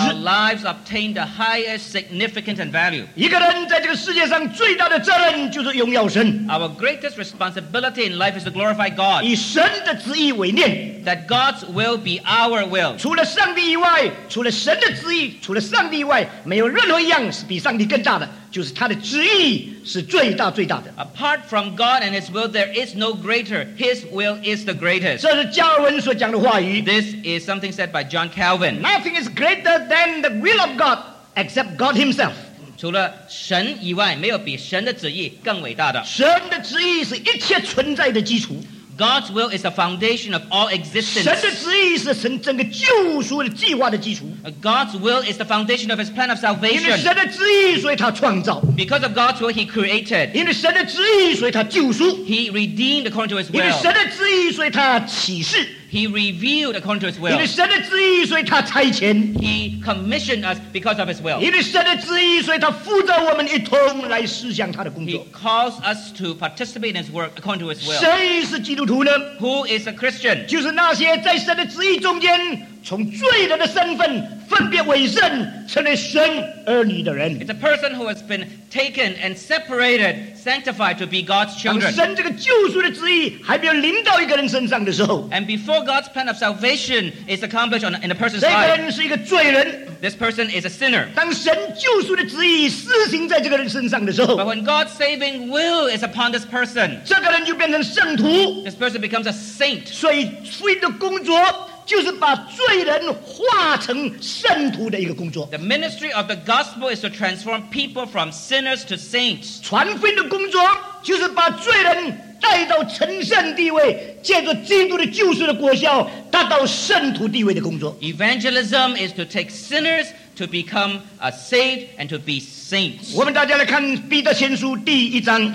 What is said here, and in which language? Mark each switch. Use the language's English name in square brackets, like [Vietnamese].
[English] Our lives obtain the highest significance and value. [Chinese] 一个人在这个世界上最大的责任就是荣耀神。 [English] Our greatest responsibility in life is to glorify God. [Chinese] 以神的旨意为念。 [English] That God's will be our will. [Chinese] 除了上帝以外，除了神的旨意，除了上帝以外，没有任何一样是比上帝更大的，就是他的旨意是最大最大的。 [English] Apart from God and His will, there is no greater. His will is the greatest. [Chinese] 这是加尔文所讲的话语。 [English] This is something said by John Calvin. Nothing is greater than the will of God except God Himself. [Chinese] 除了神以外，没有比神的旨意更伟大的。神的旨意是一切存在的基础。 [English] God's will is the foundation of all existence. [Chinese] 神的旨意是神整个救赎的计划的基础。 [English] God's will is the foundation of his plan of salvation. [Chinese] 因着神的旨意，所以他创造。 [English] Because of God's will, he created. [Chinese] 因着神的旨意，所以他救赎。 [English] He redeemed according to his will. [Chinese] 因着神的旨意，所以他启示。 [English] He revealed according to his will. [Chinese] 因着神的旨意，所以他差遣。 [English] He commissioned us because of his will. [Chinese] 因着神的旨意，所以他负责我们一同来施行他的工作。 [English] He calls us to participate in his work according to his will. [Chinese] 谁是基督徒呢？ [English] Who is a Christian? [Chinese] 就是那些在神的旨意中间 从罪人的身份分别为神，成为神儿女的人。 [English] It's a person who has been taken and separated, sanctified to be God's children. [Chinese] 当神这个救赎的旨意还没有临到一个人身上的时候， [English] And before God's plan of salvation is accomplished in a person's heart, [Chinese] 这个人是一个罪人。 [English] This person is a sinner. [Chinese] 当神救赎的旨意施行在这个人身上的时候， [English] But when God's saving will is upon this person, [Chinese] 这个人就变成圣徒。 [English] This person becomes a saint. [Chinese] 所以福音的工作 就是把罪人化成圣徒的一个工作。 [English] The ministry of the gospel is to transform people from sinners to saints. [Chinese] 传福音的工作就是把罪人带到成圣地位，借着基督的救赎的果效，达到圣徒地位的工作。 [English] Evangelism is to take sinners to become a saint and to be saints. [Chinese] 我们大家来看彼得前书第一章。